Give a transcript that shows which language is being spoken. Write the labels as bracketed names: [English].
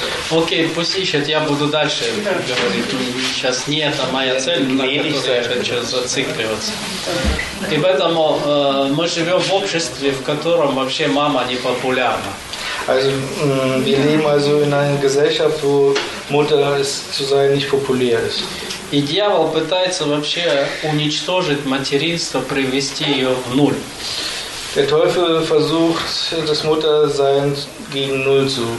[Russian] Окей, пусть ищет, я буду дальше говорить. Сейчас не это моя цель, на которой я хочу зацикливаться. И поэтому мы живем в обществе, в котором вообще мама не популярна. [German] Also, wir leben also in einer Gesellschaft, wo Mutter zu sein nicht populär ist. [Russian] И дьявол пытается вообще уничтожить материнство, привести ее в ноль. [German] Der Teufel versucht, das Muttersein gegen Null zu